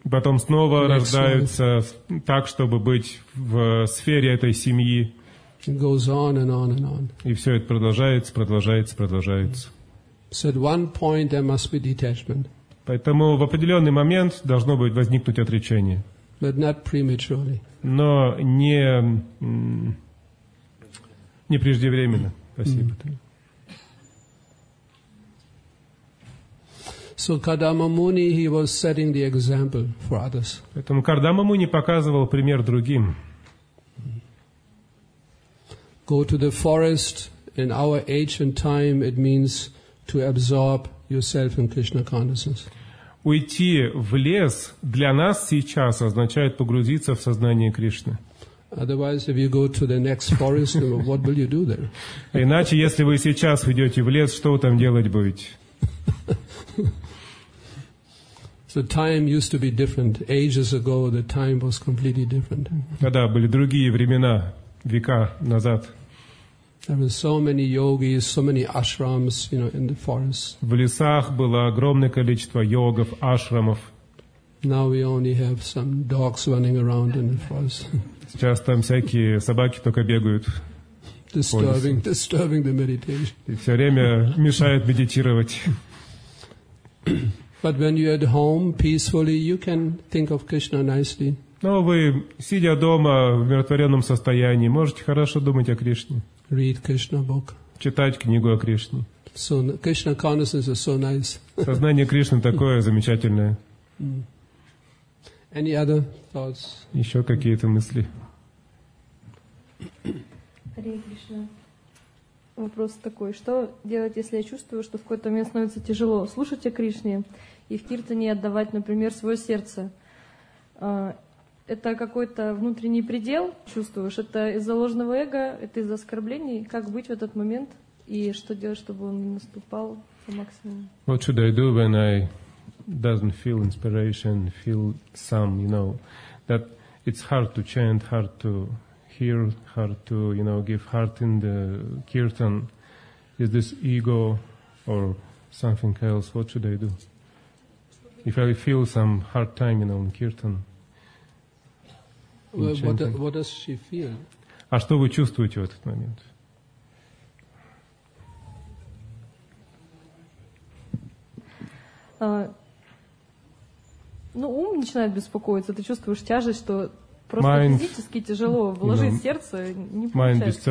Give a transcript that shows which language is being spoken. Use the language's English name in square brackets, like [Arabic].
[Russian] Потом снова рождаются так, чтобы быть в сфере этой семьи. [English] It goes on and on and on. [Russian] И все это продолжается, продолжается, продолжается. [English] So at one point there must be detachment. [Russian] Поэтому в определенный момент должно будет возникнуть отречение. [English] But not prematurely. [Russian] Но не преждевременно. Спасибо. [English] So Kardama Muni, he was setting the example for others. [Russian] Поэтому Кардама Муни показывал пример другим. [English] Go to the forest. In our age and time, it means to absorb yourself in Krishna consciousness. [Russian] Уйти в лес для нас сейчас означает погрузиться в сознание Кришны. [English] Otherwise, if you go to the next forest, what will you do there? [Russian] Иначе, если вы сейчас уйдете в лес, что вы там делать будете? [English] So time used to be different. Ages ago, the time was completely different. [Russian] Да, были другие времена, века назад. [English] There were so many yogis, so many ashrams, you know, in the forest. [Russian] В лесах было огромное количество йогов, ашрамов. [English] Now we only have some dogs running around in the forest. [Russian] Сейчас там всякие собаки только бегают. [English] Disturbing the meditation. [Russian] И все время мешают медитировать. [English] But when you're at home peacefully, you can think of Krishna nicely. [Russian] Но вы сидя дома в умиротворенном состоянии, можете хорошо думать о Кришне. [English] Read Krishna book. [Russian] Читать книгу о Кришне. [English] So Krishna consciousness is so nice. [Russian] Сознание Кришны такое замечательное. [English] Any other thoughts? [Russian] Еще какие-то мысли? [English] Hare Krishna. [Russian] Вопрос такой: что делать, если я чувствую, что в какой-то момент становится тяжело слушать о Кришне и в киртане отдавать, например, свое сердце? Это какой-то внутренний предел чувствуешь? Это из-за ложного эго? Это из-за оскорблений? Как быть в этот момент? И что делать, чтобы он не наступал по максимуму? [English] What should I do when I doesn't feel inspiration, feel some, you know, that it's hard to chant, hard to hear, hard to, you know, give heart in the kirtan? Is this ego or something else? What should I do? If I feel some hard time, you know, in kirtan, what does she feel? [Russian] А что вы чувствуете в этот момент? Ну, ум начинает беспокоиться. Ты чувствуешь тяжесть, что просто mind, физически тяжело вложить, [English] you know, [Russian] сердце, не получается.